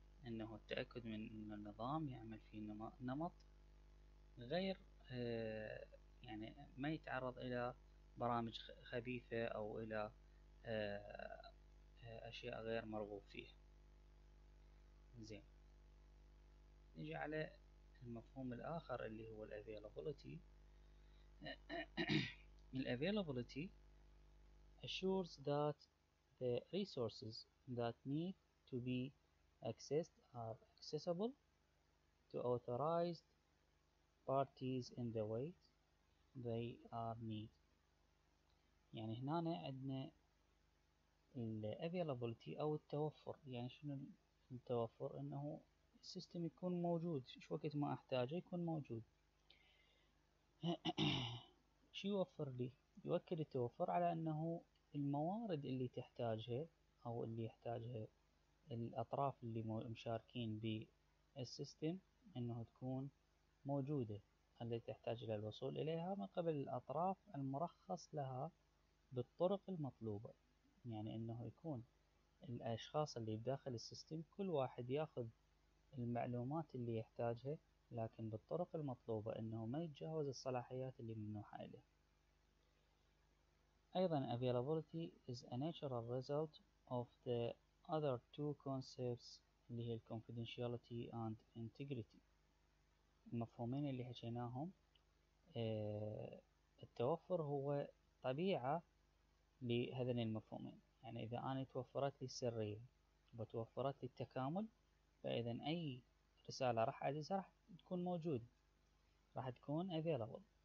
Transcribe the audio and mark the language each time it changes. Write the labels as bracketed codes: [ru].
[ar] انه التأكد من ان النظام يعمل في نمط غير يعني ما يتعرض الى برامج خبيثة او الى اشياء غير مرغوب فيها. زين، نجي على المفهوم الآخر اللي هو availability. [en] availability assures that the resources that need to be accessed are accessible to authorized parties in the way they are need. [ar] يعني هنا عندنا availability أو التوفر. يعني شنو التوفر؟ إنه السيستم يكون موجود، شو وقت ما احتاجه يكون موجود. شو يوفر لي؟ يؤكد التوفر على انه الموارد اللي تحتاجها او اللي يحتاجها الاطراف اللي مشاركين بالسيستم انه تكون موجودة، اللي تحتاج الى الوصول اليها من قبل الاطراف المرخص لها بالطرق المطلوبة. يعني انه يكون الاشخاص اللي بداخل السيستم كل واحد ياخذ المعلومات اللي يحتاجها لكن بالطرق المطلوبة، انه ما يتجاوز الصلاحيات اللي منوحة له. ايضا [en] availability is a natural result of the other two concepts [ar] اللي هي [en] confidentiality and integrity. [ar] المفهومين اللي حكيناهم، التوفر هو طبيعة لهذين المفهومين. يعني اذا انا توفرت لي السرية وتوفرت لي التكامل، فإذا أي رسالة راح أجلسها راح تكون موجودة، راح تكون available.